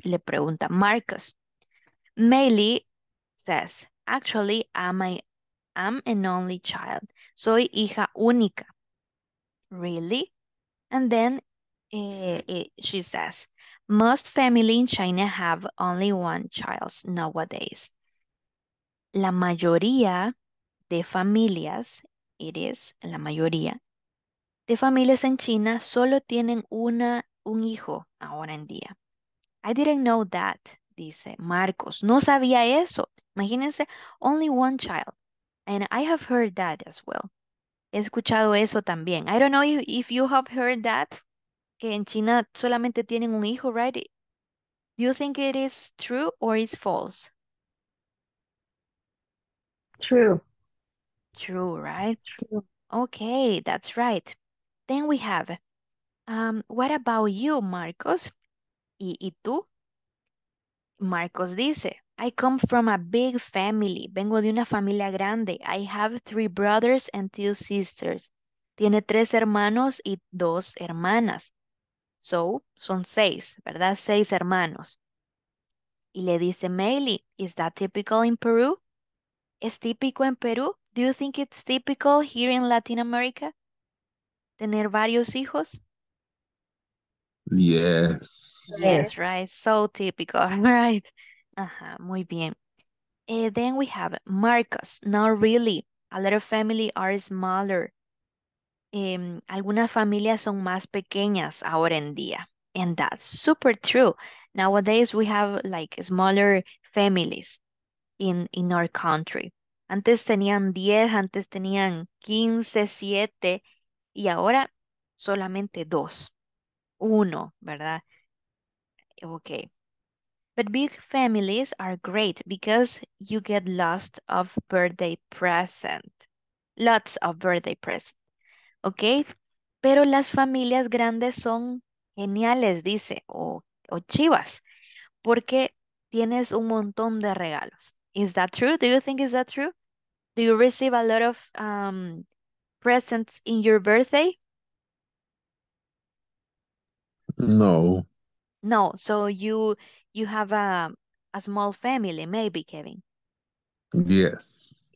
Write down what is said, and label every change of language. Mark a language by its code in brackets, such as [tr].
[es] Le pregunta Marcos. [en] Meili says, actually, I'm an only child. [es] Soy hija única. [en] Really? And then she says, most family in China have only one child nowadays. [es] La mayoría de familias, [en] it is [es] la mayoría de familias en China solo tienen un hijo ahora en día. [en] I didn't know that, [es] dice Marcos. No sabía eso. [en] Imagínense, only one child. And I have heard that as well. [es] He escuchado eso también. [en] I don't know if you have heard that. [es] Que en China solamente tienen un hijo, right? [en] Do you think it is true or is false? True. True, right? True. Okay, that's right. Then we have, what about you, Marcos? [es] ¿Y tú? Marcos dice, [en] I come from a big family. [es] Vengo de una familia grande. [en] I have three brothers and two sisters. [es] Tiene tres hermanos y dos hermanas. So, son seis, ¿verdad? Seis hermanos. Y le dice Meili, [en] is that typical in Peru? [es] ¿Es típico en Perú? [en] Do you think it's typical here in Latin America? [es] Tener varios hijos? [en] Yes. Yes, right. So typical, right? Uh-huh. [es] Muy bien. [en] Then we have Marcos. Not really. A lot of families are smaller. [es] Algunas familias son más pequeñas ahora en día. [en] And that's super true. Nowadays, we have like smaller families in our country. [es] Antes tenían 10, antes tenían 15, 7, y ahora solamente 2. [en] 1, ¿verdad? Okay. But big families are great because you get lots of birthday present. Lots of birthday present. Okay. [es] Pero las familias grandes son geniales, dice, o chivas, porque tienes un montón de regalos. [en] Is that true? Do you think is that true? Do you receive a lot of presents in your birthday? No. No, so you have a small family, maybe, Kevin. Yes.